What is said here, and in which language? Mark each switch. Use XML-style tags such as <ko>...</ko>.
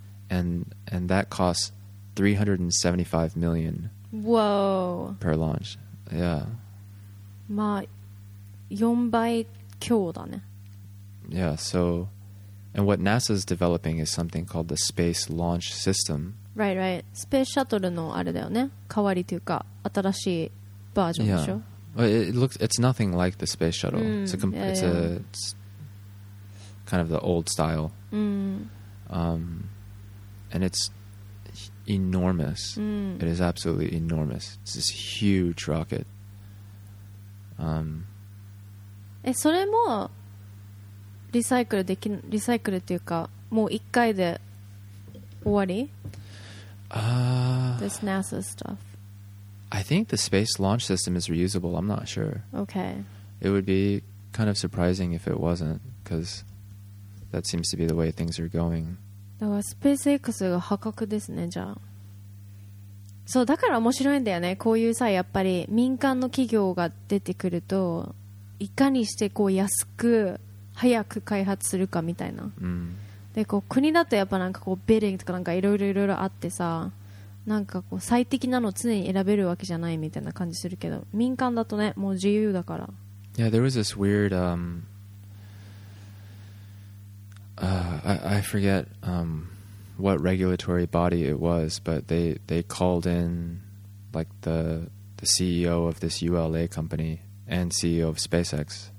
<en>And that costs $375 million. Whoa. Per launch. Yeah.</en> <ja>まあ、4倍強だね。</ja> <en>Yeah, so and what NASA's developing is something called the Space Launch System. Right, right.</en> <ja>Space Shuttle のあれだよね。代わりというか新しいバージョンでしょ。</ja> <en>Yeah. But it's nothing like the Space Shuttle. It's kind of the old style. And it's enormous. It is absolutely enormous. It's this huge rocket.</en> <ja>それもリサイクルできリサイクルっていうかもう一回で終わり?</ja> <en>This NASA stuff. I think the Space Launch System is reusable. I'm not sure. Okay. It would be kind of surprising if it wasn't, because that seems to be the way things are going.</en> <ja>だからスペース X が破格ですね、じゃあ。そう、だから面白いんだよね。こういうさ、やっぱり民間の企業が出てくると、いかにしてこう安く、早く開発するかみたいな。うん、で、こう国だとやっぱなんかこうベレンとかなんかいろいろあってさ、なんかこう最適なの常に選べるわけじゃないみたいな感じするけど、民間だとね、もう自由だから。</ja> <en>Yeah, there was this weird, I forget what regulatory body it was, but they called in like the CEO of this ULA company and CEO of SpaceX,</en>